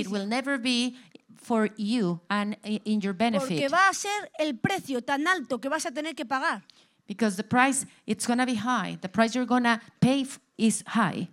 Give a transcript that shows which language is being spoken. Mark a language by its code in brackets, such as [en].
[en] It will never be for you and in your benefit. [es] Porque va a ser el precio tan alto que vas a tener que pagar. [en] Because the price, it's going to be high. The price you're going to pay is high.